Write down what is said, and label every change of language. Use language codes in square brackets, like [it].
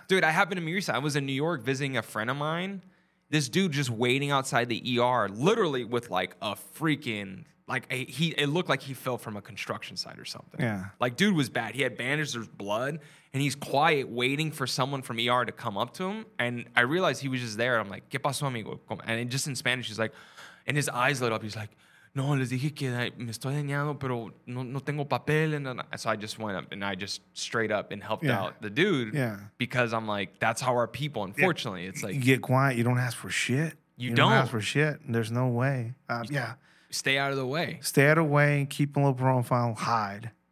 [en] Dude, I happened to meet recently. I was in New York visiting a friend of mine. This dude just waiting outside the ER, literally with like a freaking, like it looked like he fell from a construction site or something. Yeah. Like, dude was bad. He had bandages, there's blood, and he's quiet waiting for someone from ER to come up to him. And I realized he was just there. I'm like, [es] ¿qué pasó, amigo? [en] And just in Spanish, he's like, and his eyes lit up. [es] He's like, no, les dije que me estoy dañado, pero no, no tengo papel. [en] And so I just went up and I just straight up and helped out the dude. Yeah. Because I'm like, that's how our people, unfortunately. Yeah. It's like, you get quiet. You don't ask for shit. You don't ask for shit. There's no way. Stay out of the way. Stay out of the way. Keep a low profile. Hide.